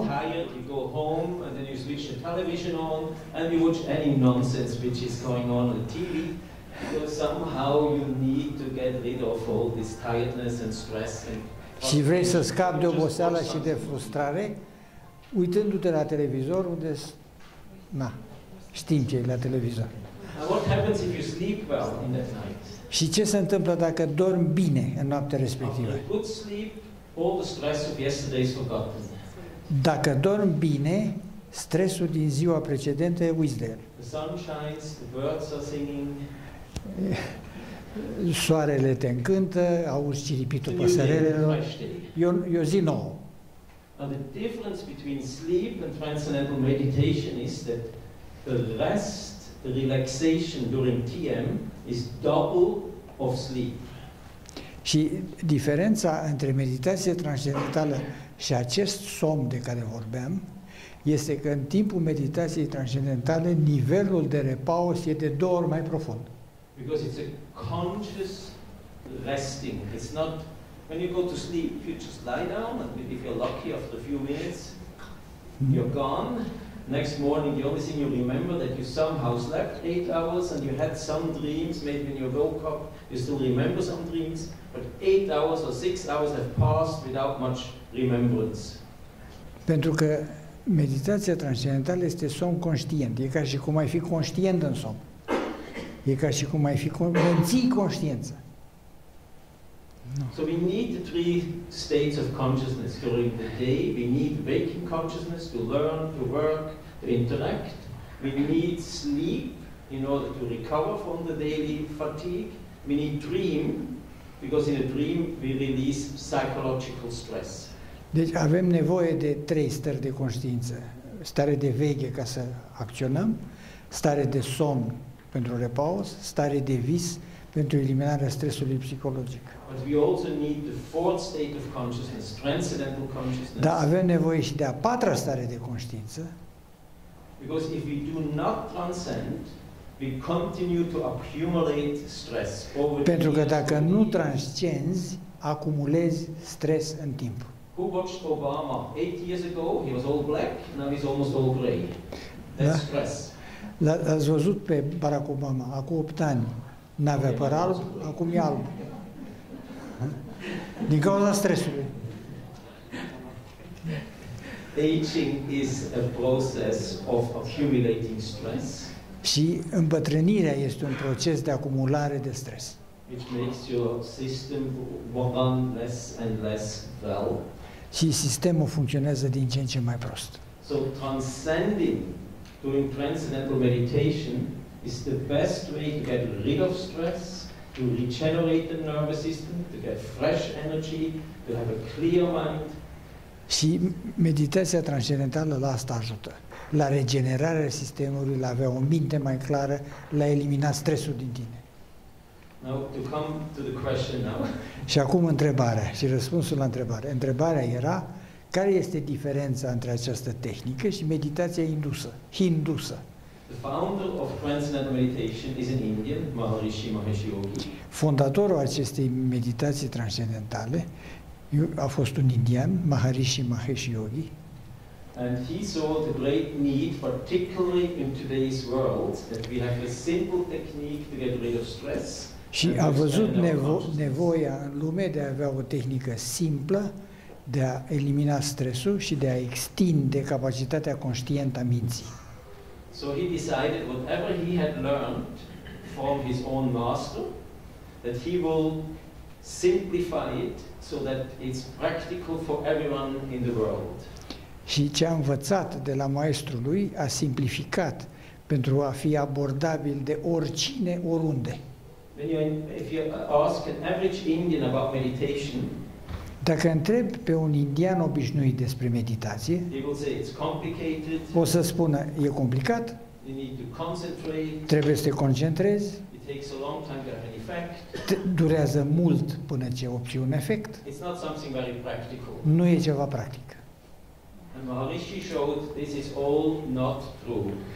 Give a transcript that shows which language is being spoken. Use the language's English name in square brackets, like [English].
[English] Tired, you go home and then you switch the television on and you watch any nonsense which is going on the TV. So somehow you need to get rid of all this tiredness and stress. [Romanian] Și vrei să scapi de oboseală și de frustrare uitându-te la televizor unde na, știm ce e la televizor. [English] And what happens if you sleep well in that night? [Romanian] Și ce se întâmplă dacă dormi bine în noaptea respectivă? [English] All the stress of yesterday is forgotten. [Romanian] Dacă dorm bine, stresul din ziua precedentă e uis de el. [English] The sun shines, the birds are singing. [Romanian] Soarele te încântă, auzi ciripitul păsărelelor. E o zi nouă. [English] And the difference between sleep and transcendental meditation is that the rest, the relaxation during TM is double of sleep. [Romanian] Și diferența între meditație transcendentală și acest somn de care vorbeam este că în timpul meditației transcendentale nivelul de repaus e de două ori mai profund. [English] Because it's a conscious resting. It's not when you go to sleep, you just lie down and if you're lucky after a few minutes you're gone. Next morning, the only thing you remember that you somehow slept 8 hours and you had some dreams, maybe when you woke up, you still remember some dreams, but 8 hours or 6 hours have passed without much remembrance. [Romanian] Pentru că meditația transcendentală este somn conștient. E ca și cum ai fi conștient în somn. E ca și cum ai fi menții conștiința. [English] No. So we need the three states of consciousness during the day. We need waking consciousness to learn, to work, to interact. We need sleep in order to recover from the daily fatigue. We need dream, because in a dream we release psychological stress. [Romanian] Deci avem nevoie de trei stări de conștiință. Stare de veche ca să acționăm, stare de somn pentru repaus, stare de vis pentru eliminarea stresului psihologic. [English] But we also need the fourth state of consciousness, transcendental consciousness. [Romanian] Dar avem nevoie și de a patra stare de conștiință. [English] Because if we do not transcend, we continue to accumulate stress over. [Romanian] Pentru că dacă nu transcenzi, acumulezi stres în timp. [English] Who watched Obama 8 years ago? He was all black, now he's almost all gray. That's stress. [Romanian] L-ați văzut pe Barack Obama acum 8 ani? N-avea păr alb, acum e alb. Din cauza stresului. [English] Aging is a process of accumulating stress. [Romanian] Și îmbătrânirea este un proces de acumulare de stres. [English] Which makes your system run less and less well. [Romanian] Și sistemul funcționează din ce în ce mai prost. [English] So transcending during transcendental meditation is the best way to get rid of stress, to regenerate the nervous system, to get fresh energy, to have a clear mind. [Romanian] Și meditația transcendentală la asta ajută. La regenerarea sistemului, la avea o minte mai clară, la elimina stresul din tine. [English] Now, to come to the question now. [Romanian] Și acum întrebarea și răspunsul la întrebare. Întrebarea era, care este diferența între această tehnică și meditația indusă, hindusă? [English] The founder of transcendental meditation is an Indian, Maharishi Mahesh Yogi. [Romanian] Fondatorul acestei meditații transcendentale a fost un indian, Maharishi Mahesh Yogi. [English] And he saw the great need, particularly in today's world, that we have a simple technique to get rid of stress. [Romanian] Și a văzut nevoia în lume de a avea o tehnică simplă de a elimina stresul și de a extinde capacitatea conștientă a minții. [English] So he decided whatever he had learned from his own master that he will simplify it so that it's practical for everyone in the world. [Romanian] Și ce a învățat de la maestrul lui a simplificat pentru a fi abordabil de oricine, oriunde. [English] If you ask an average Indian about meditation, [Romanian] dacă întreb pe un indian obișnuit despre meditație, [English] he will say it's complicated. [Romanian] O să spună, e complicat, [English] you need to concentrate, [Romanian] trebuie să te concentrezi, [English] it takes a long time to have an effect, [Romanian] durează mult până ce obții un efect, [English] it's not something very practical. [Romanian] Nu e ceva practic. [English] And Maharishi showed this is all not true.